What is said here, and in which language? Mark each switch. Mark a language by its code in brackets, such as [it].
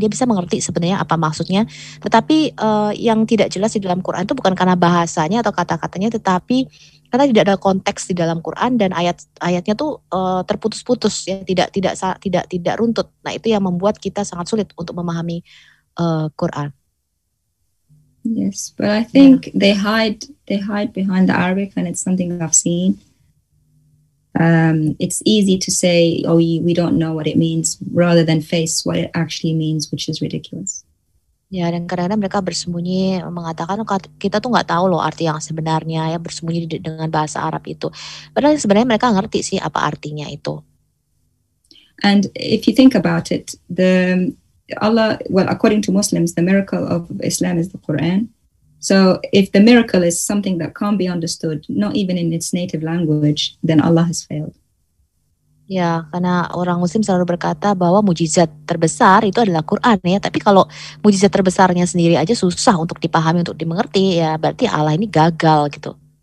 [id] Dia bisa mengerti sebenarnya apa maksudnya. Tetapi yang tidak jelas di dalam Quran itu bukan karena bahasanya atau kata-katanya, tetapi karena tidak ada konteks di dalam Quran dan ayat-ayatnya tuh terputus-putus ya, tidak runtut. Nah itu yang membuat kita sangat sulit untuk memahami Quran. [en] Yes, but I think they hide behind the Arabic, and it's something I've seen. It's easy to say, oh, we don't know what it means, rather than face what it actually means, which is ridiculous. [id] Ya, dan kadang-kadang mereka bersembunyi mengatakan kita tuh nggak tahu loh arti yang sebenarnya ya, bersembunyi dengan bahasa Arab itu. Padahal sebenarnya mereka ngerti sih apa artinya itu. [en] And if you think about it, the Allah, well, according to Muslims, the miracle of Islam is the Quran. So if the miracle is something that can't be understood, not even in its native language, then Allah has failed. [id] Ya, karena orang Muslim selalu berkata bahwa mujizat terbesar itu adalah Quran ya. Tapi kalau mujizat terbesarnya sendiri aja susah untuk dipahami, untuk dimengerti, ya berarti Allah ini gagal gitu.